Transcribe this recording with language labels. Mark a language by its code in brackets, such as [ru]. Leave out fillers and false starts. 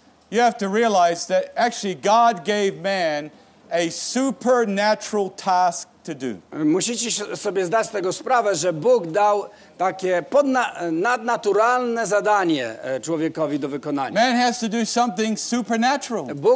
[en] You have to realize that actually God gave man a supernatural task to do. [pl] Musicie sobie zdać z tego sprawę, że Bóg dał takie nadnaturalne zadanie człowiekowi do wykonania. [en] Man has to do something supernatural.